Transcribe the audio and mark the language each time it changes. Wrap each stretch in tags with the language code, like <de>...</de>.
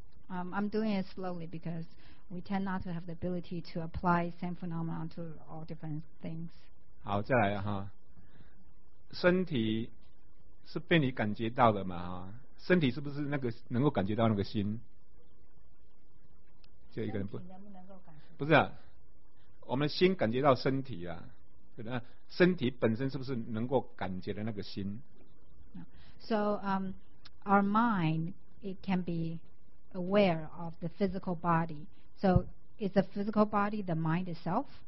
<en>I'm doing it slowly because we tend not to have the ability to apply same phenomenon to all different things.</en> <zh>好，再来哈。身体是被你感觉到的嘛？身体是不是那个能够感觉到那个心？就一个人不是啊，我们的心感觉到身体啊，身体本身是不是能够感觉的那个心</zh> <en>？So our mind it can be aware of the physical body. So is the physical body the mind itself?</en>